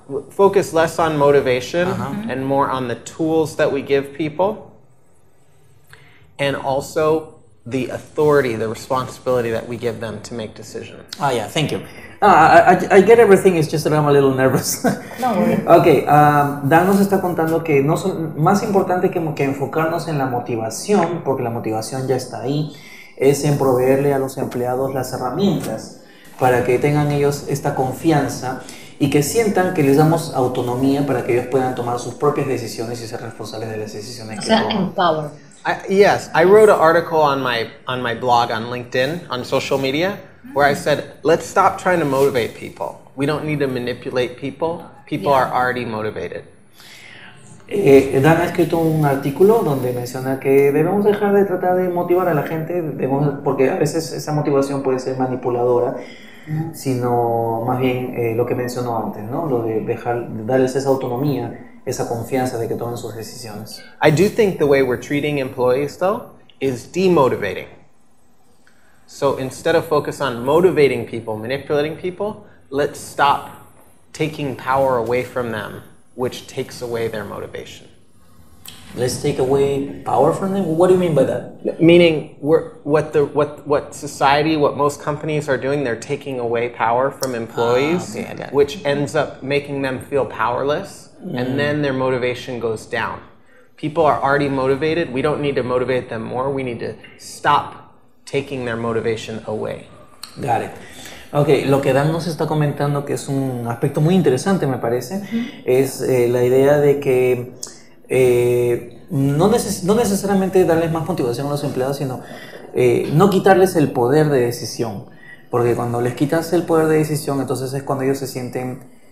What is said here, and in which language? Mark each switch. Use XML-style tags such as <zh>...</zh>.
<en>Focus less on motivation and more on the tools that we give people and also the authority, the responsibility that we give them to make decisions. Oh, yeah. Thank you. I get everything. It's just that I'm a little nervous. No worries. Okay.</en> <es>Dan nos está contando que no son más importante que enfocarnos en la motivación, porque la motivación ya está ahí, es en proveerle a los empleados las herramientas para que tengan ellos esta confianza y que sientan que les damos autonomía para que ellos puedan tomar sus propias decisiones y ser responsables de las decisiones que toman. O sea, empower.</es> <en>Yes, I wrote an article on my blog on LinkedIn, on social media, where I said, let's stop trying to motivate people. We don't need to manipulate people. People are already motivated.</en> <es>Dan ha escrito un artículo donde menciona que debemos dejar de tratar de motivar a la gente, porque a veces esa motivación puede ser manipuladora, sino más bien lo que mencionó antes, ¿no? Lo de darles esa autonomía esa confianza de que tomen sus decisiones.</es> <en>I do think the way we're treating employees, though, is demotivating. So instead of focus on motivating people, manipulating people, let's stop taking power away from them, which takes away their motivation. Let's take away power from them? What do you mean by that? Meaning, what society, what most companies are doing, they're taking away power from employees, which ends up making them feel powerless, and then their motivation goes down. People are already motivated. We don't need to motivate them more. We need to stop taking their motivation away. Got it.</en> <es>Okay, lo que Dan nos está comentando, que es un aspecto muy interesante, me parece, es la idea de que no necesariamente darles más motivación a los empleados, sino no quitarles el poder de decisión. Porque cuando les quitas el poder de decisión, entonces es cuando ellos se sienten...</es>